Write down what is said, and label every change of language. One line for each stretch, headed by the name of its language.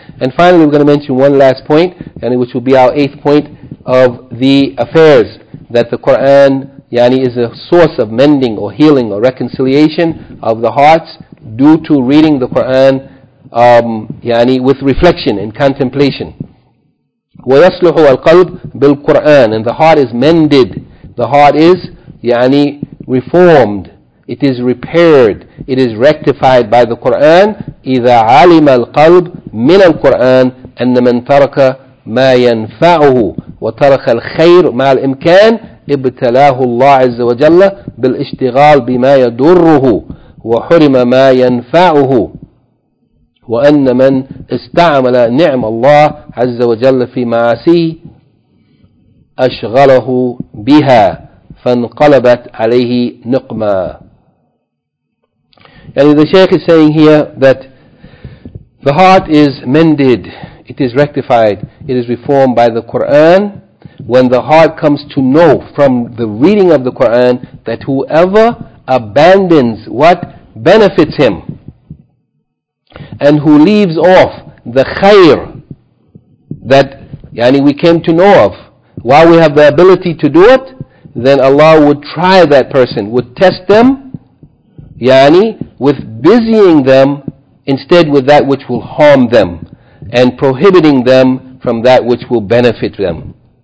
English: And finally, we're going to mention one last point, yani which will be our eighth point of the affairs, that the Quran yani is a source of mending or healing or reconciliation of the hearts due to reading the Quran yani with reflection and contemplation.
Arabic: وَيَصْلُحُ الْقَلْبُ بِالْقُرْآنِ,
English: and the heart is mended, the heart is yani reformed, it is repaired, it is rectified by the Quran.
Arabic: إِذَا عَلِمَ الْقَلْبُ مِنَ الْقُرْآنِ أَنَّ مَنْ تَرَكَ مَا يَنْفَعُهُ وَتَرَكَ الْخَيْرُ مَا الْإِمْكَانِ ابْتَلَاهُ اللَّهُ عَزَّ وَجَلَّ بِالْإِشْتِغَالِ بِمَا يَدُرُّهُ وَحُرِمَ مَا يَنْفَعُهُ وأن من استعمل نعم الله عز وجل في معاصيه أشغله بها فانقلبت عليه نقما.
English: And the Shaykh is saying here that the heart is mended, it is rectified, it is reformed by the Quran. When the heart comes to know from the reading of the Quran that whoever abandons what benefits him, and who leaves off the khair that yani we came to know of, while we have the ability to do it, then Allah would try that person, would test them yani with busying them instead with that which will harm them, and prohibiting them from that which will benefit them.